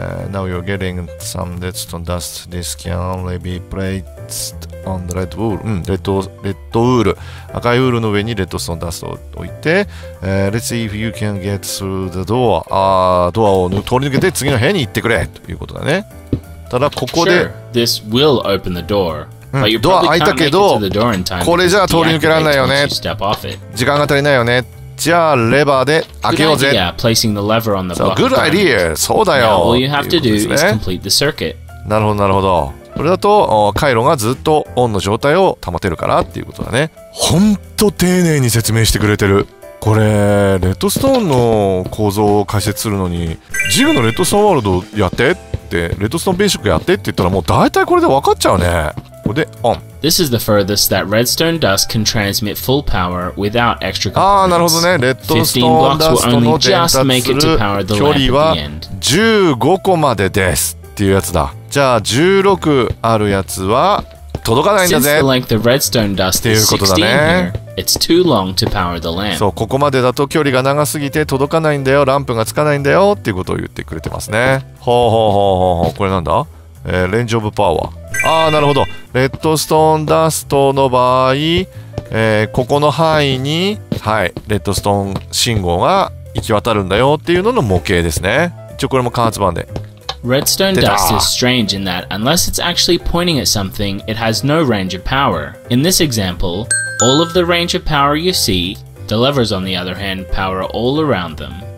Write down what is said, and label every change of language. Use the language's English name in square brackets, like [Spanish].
[English] Now you're getting some redstone dust. This can only be placed on the red wool. [Japanese] うん、レッドウール。赤いウールの上にレッドストーンダストを置いて、 [English] Let's see if you can get through the door. [Japanese] ドアを通り抜けて次の部屋に行ってくれということだね。ただここで、 [English] Sure, this will open the door. [Japanese] ドア開いたけど、これじゃ通り抜けられないよね。時間が足りないよね。じゃあレバーで開けようぜ。 [English] Good [Japanese] idea! そうだよ。 [English] All you have to do is complete the circuit. [Japanese] なるほど、なるほど。これだと回路がずっとオンの状態を保てるからっていうことだね。ほんと丁寧に説明してくれてる。これ、レッドストーンの構造を解説するのに、ジグのレッドストーンワールドやってって、レッドストーンベーシックやってって言ったら、もう大体これで分かっちゃうね。でオン。 [English] This is the furthest that redstone dust can transmit full power without extra components. [Japanese] ああ、なるほどね。レッドストーンダストの伝達する距離は15個までですっていうやつだ。じゃあ16あるやつは届かないんだぜ。 [English] Since the length of redstone dust is 16 here, it's too long to power the lamp. [Japanese] そう、ここまでだと距離が長すぎて届かないんだよ、ランプがつかないんだよっていうことを言ってくれてますね。ほうほうほうほうほう、これなんだ？レンジオブパワー。ああ、なるほど。レッドストーンダストの場合、ここの範囲に、はい、レッドストーン信号が行き渡るんだよっていうのの模型ですね。一応これも加圧版で。 [English] Redstone dust is strange in that unless it's actually pointing at something, it has no range of power. In this example, all of the range of power you see, the levers on the other hand power all around them.